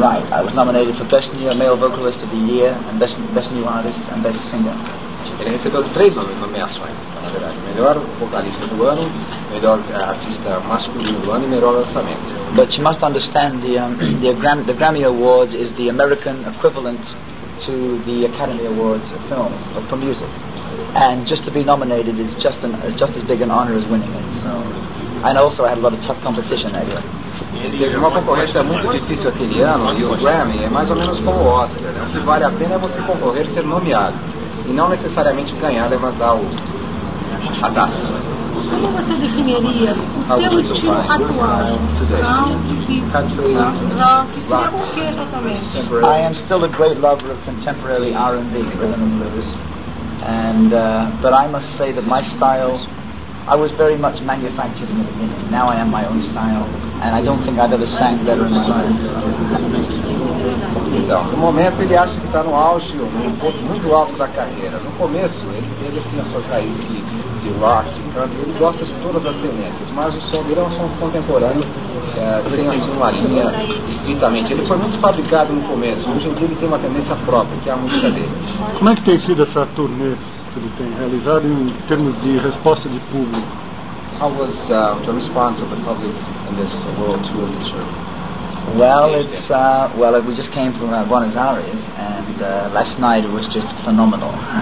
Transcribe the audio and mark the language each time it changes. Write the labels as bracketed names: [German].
[English] Right, I was nominated for Best New Male Vocalist of the Year and Best New Artist and Best Singer. [Portuguese] Você recebeu três nomeações, na verdade. Melhor vocalista do ano, melhor artista masculino do ano e melhor lançamento. [English] But you must understand the Grammy Awards is the American equivalent to the Academy Awards of films or for music. And just to be nominated is just as big an honor as winning it. So, and also I had a lot of tough competition that year. [Portuguese] Ele teve uma concorrência muito difícil aquele ano, e o Grammy é mais ou menos como o Oscar, né? O que vale a pena é você concorrer, ser nomeado, e não necessariamente ganhar, levantar a taça. Como você definiria o seu estilo atual? Rock, hip-hop, rock, seria o que exatamente? [English] I am still a great lover of contemporary R&B, rhythm and blues. And, but I must say that my style, I was very much manufactured in the beginning. Now I am my own style, and I don't think I've ever sang better in my life. [Portuguese] Então, no momento ele acha que está no auge, um ponto muito alto da carreira. No começo, ele tinha suas raízes de rock, então ele gosta de todas as tendências, mas o som dele é um som contemporâneo, sem assim uma linha estritamente. Ele foi muito fabricado no começo, hoje em dia ele tem uma tendência própria, que é a música dele. Como é que tem sido essa turnê? Ele tem realizado em termos de resposta de público. [English] How was the response of the public in this world tour this year? Well, it's we just came from Buenos Aires, and last night it was just phenomenal.